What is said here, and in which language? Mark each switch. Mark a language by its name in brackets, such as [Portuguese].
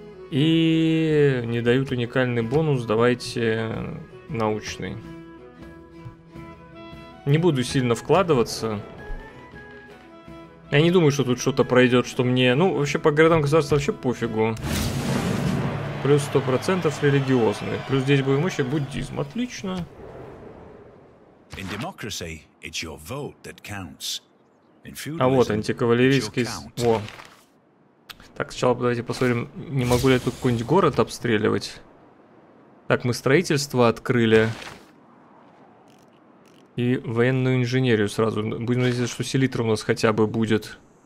[Russian] И не дают уникальный бонус. Давайте научный. Не буду сильно вкладываться. Я не думаю, что тут что-то пройдет, что мне... Ну, вообще, по городам государства вообще пофигу. Плюс 100% религиозные. Плюс 10 боевой мощи буддизм. Отлично. [English] In democracy, it's your vote that counts. [Russian] А вот антикавалерийский... О. Так, сначала давайте посмотрим, не могу ли я тут какой-нибудь город обстреливать. Так, мы строительство открыли. И военную инженерию сразу. Будем надеяться, что селитра у нас хотя бы будет.